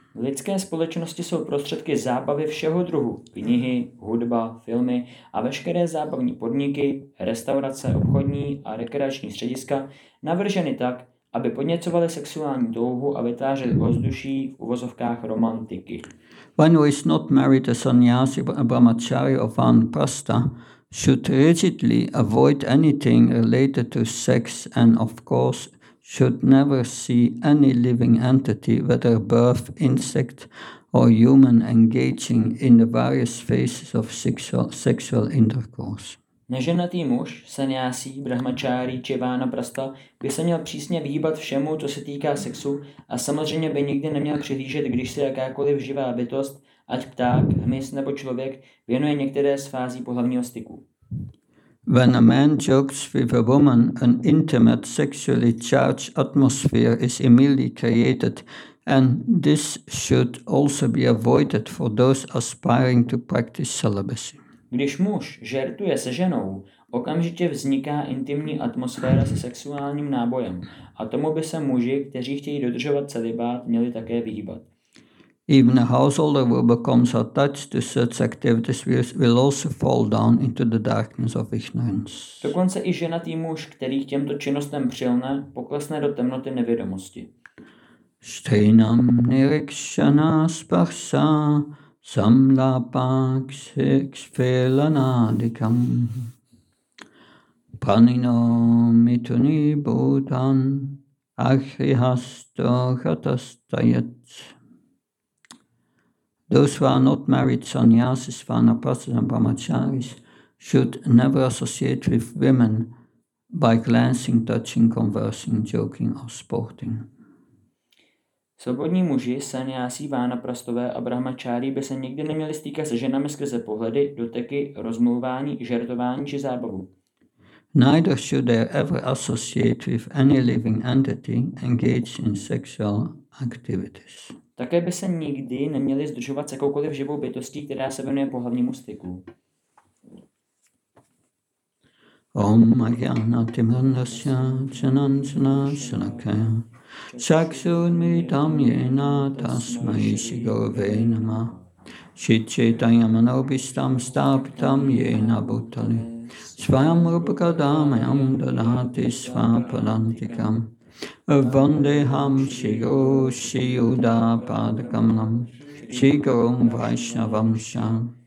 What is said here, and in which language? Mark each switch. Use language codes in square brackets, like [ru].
[cs] Lidské společnosti jsou prostředky zábavy všeho druhu. Knihy, hudba, filmy a veškeré zábavní podniky, restaurace, obchodní a rekreační střediska navrženy tak, aby podněcovaly sexuální touhu a vytvářely ovzduší v uvozovkách romantiky. [en] When one is not married, a sannyasi, a brahmachari or vanprastha should rigidly avoid anything related to sex and of course should never see any living entity, whether birth, insect or human, engaging in the various phases of sexual intercourse. [cs] Neženatý muž, sannyasi, brahmachari či vanaprastha by se měl přísně vyhýbat všemu, co se týká sexu, a samozřejmě by nikdy neměl přihlížet, když se jakákoliv živá bytost, ať pták, hmyz nebo člověk, věnuje některé z fází pohlavního styku. [en] When a man jokes with a woman, an intimate, sexually charged atmosphere is immediately created, and this should also be avoided for those aspiring to practice celibacy. [cs] Když muž žertuje se ženou, okamžitě vzniká intimní atmosféra se sexuálním nábojem, a tomu by se muži, kteří chtějí dodržovat celibát, měli také vyhýbat. [en] Even a householder who becomes attached to such activities will also fall down into the darkness of ignorance. [cs] Dokonce i ženatý muž, který k těmto činnostem přilne, poklesne do temnoty nevědomosti. [sa] Stejnam nirikšana sparsa samlapa kshilanadikam panino mituni bhutan ahrihasto ghatastayat. [en] Those who are not married sannyasis, vanaprastas and brahmacharis should never associate with women by glancing, touching, conversing, joking or sporting. [cs] Svobodní muži, sannyasi, vanaprastové a brahmacháry by se nikdy neměli stýkat se ženami skrze pohledy, doteky, rozmluvání, žertování či zábavu. [en] Neither should they ever associate with any living entity engaged in sexual activities. [cs] Také by se nikdy neměli sdružovat s jakoukoliv živou bytostí, která se věnuje pohlavnímu styku. [sa] Om Mahyanati Mandasya Chananjana Shalakaya Chakshurmitam Yena Tasmai Shigurve Nama Shichetanya Manobhistam Stapitam Yena Bhutale Svayam Rupakadamayam Dadati Svapalantikam Vandeham Shri Guru Shri Yuda Padakamalam Shri Gurum Vaishnavamsha